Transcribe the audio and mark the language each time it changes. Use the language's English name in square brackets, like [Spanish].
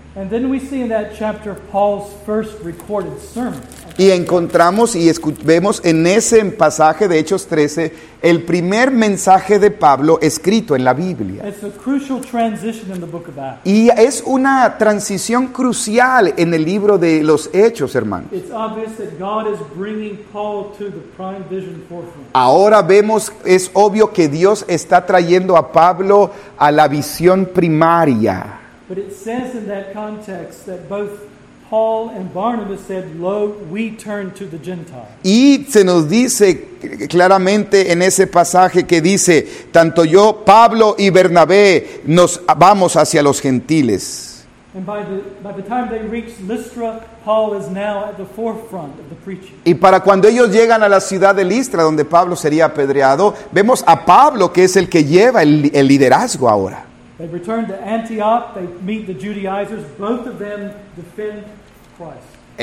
[English] And then we see in that chapter Paul's first recorded sermon. [Spanish] Y encontramos y vemos en ese pasaje de Hechos 13 el primer mensaje de Pablo escrito en la Biblia. [English] It's a crucial transition in the book of Acts. [Spanish] Y es una transición crucial en el libro de los Hechos, hermanos. [English] It's obvious that God is bringing Paul to the prime vision forefront. [Spanish] Ahora vemos, es obvio que Dios está trayendo a Pablo a la visión primaria. [English] But it says in that context that both Paul and Barnabas said, "Lo, we turn to the Gentiles." [Spanish] Y se nos dice claramente en ese pasaje que dice, tanto yo, Pablo y Bernabé, nos vamos hacia los gentiles. [English] And by the time they reach Lystra, Paul is now at the forefront of the preaching. [Spanish] Y para cuando ellos llegan a la ciudad de Listra, donde Pablo sería apedreado, vemos a Pablo que es el que lleva el liderazgo ahora. [English] They return to Antioch, they meet the Judaizers, both of them defend Christ.